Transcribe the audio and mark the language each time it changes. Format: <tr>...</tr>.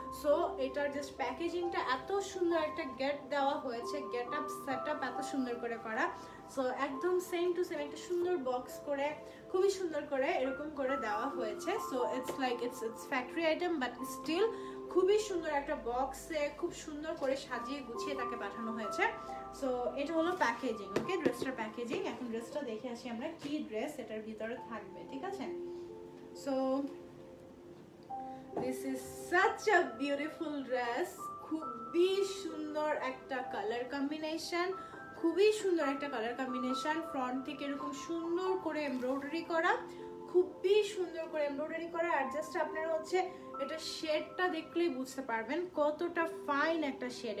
<bn>So এটার just প্যাকেজিংটা এত সুন্দর, একটা গেট দেওয়া হয়েছে, গেট আপ সেট আপ এত সুন্দর করে করা, সো একদম সেম টু সেম একটা সুন্দর বক্স করে খুবই সুন্দর করে এরকম করে দেওয়া হয়েছে। So</bn> <en>it's like it's factory item,</en> <bn>but still খুবই সুন্দর একটা বক্সে খুব সুন্দর করে সাজিয়ে গুছিয়ে তাকে পাঠানো হয়েছে। সো এটা হলো প্যাকেজিং, ওকে? ড্রেসটার প্যাকেজিং, এখন ড্রেসটা দেখে আসি আমরা কি ড্রেস এটার ভিতরে থাকবে, ঠিক আছে?</bn> <en>So this is such a beautiful dress.</en> <bn>খুবই সুন্দর একটা কালার কম্বিনেশন, খুবই সুন্দর একটা কালার কম্বিনেশন। ফ্রন্ট থেকে এরকম সুন্দর করে এমব্রয়ডারি করা, খুবই সুন্দর করে এমব্রয়ডারি করা। আর জাস্ট আপনারা হচ্ছে এটা শেডটা দেখলেই বুঝতে পারবেন কতটা ফাইন একটা শেড।</bn>